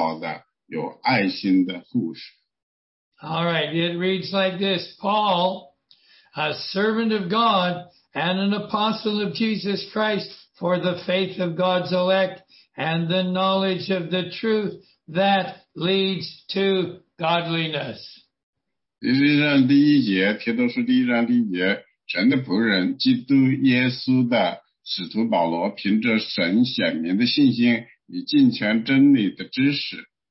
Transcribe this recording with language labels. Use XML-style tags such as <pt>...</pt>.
<zh>实际上这就是我们今天要学习这本书的原因。我们所有的人呢，要学习，学习像提摩啊提多那样去做一个友好的、有爱心的护士。</zh> <en>All right, it reads like this. Paul, a servant of God and an apostle of Jesus Christ for the faith of God's elect and the knowledge of the truth that leads to godliness.</en> <zh>实际上第一节，提多书第一章第一节，神的仆人，基督耶稣的使徒保罗，凭着神显明的信心，以尽全真理的知识。</zh>